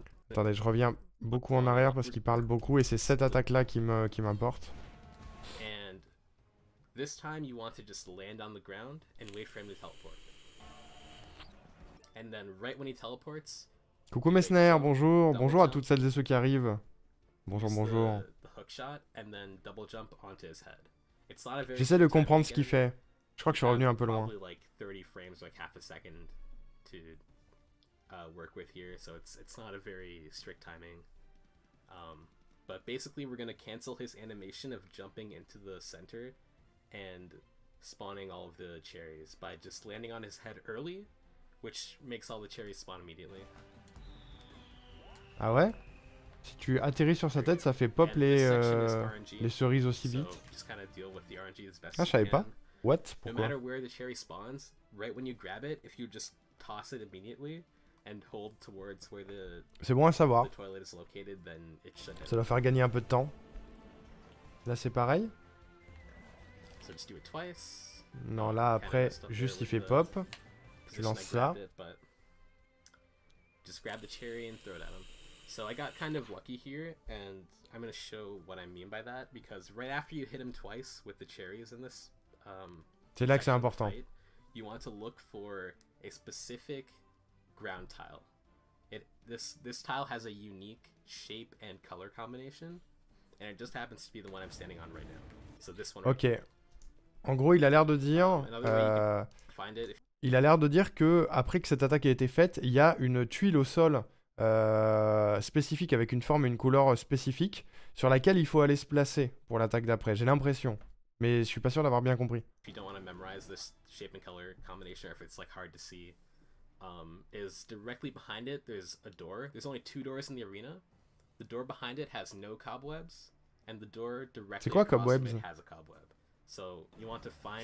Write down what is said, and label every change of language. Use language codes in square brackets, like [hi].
[fr] Attendez, je reviens beaucoup en arrière parce qu'il parle beaucoup et c'est cette attaque là qui m'importe. [en] And this time you want to just land on the ground and wait for him to teleport. And then right when he teleports. [fr] Coucou Messner, bonjour. Bonjour à toutes celles et ceux qui arrivent. Bonjour, bonjour. J'essaie de comprendre ce qu'il fait. Je crois que je suis revenu un peu loin. [en] Like 30 frames, like half a second to work with here, so it's not a very strict timing. But basically, we're going to cancel his animation of jumping into the center and spawning all of the cherries by just landing on his head early, which makes all the cherries spawn immediately. [fr] Ah ouais? Si tu atterris sur sa tête, ça fait pop les cerises aussi vite. [en] So just kind of deal with the RNG as best [fr] ah, je savais pas. What? Pourquoi? [en] No matter where the cherry spawns, right when you grab it, if you just toss it immediately, and hold towards where the, [fr] c'est bon à savoir. [en] The toilet is located, then it should [fr] ça doit faire gagner un peu de temps. Là, c'est pareil. [en] So just do it twice. [fr] Non, là, après, juste il fait pop. Tu lances ça. [en] It, just grab the cherry and throw it at him. So I got kind of lucky here, and I'm going to show what I mean by that, because right after you hit him twice with the cherries in this... [fr] c'est là que c'est important. [en] Fight, you want to look for a specific... ground tile. This tile has a unique shape and color combination, and it just happens to be the one I'm standing on right now. So this one. [fr] Okay. En gros, il a l'air de dire. Il a l'air de dire que après que cette attaque ait été faite, il y a une tuile au sol spécifique avec une forme et une couleur spécifique sur laquelle il faut aller se placer pour l'attaque d'après. J'ai l'impression, mais je suis pas sûr d'avoir bien compris. [en] If you don't want to memorize this shape and color combination, or if it's like hard to see. Is directly behind it, there's a door. There's only two doors in the arena. The door behind it has no cobwebs, and the door directly [fr] c'est quoi, [en] across cobwebs? It has a cobweb. So you want to find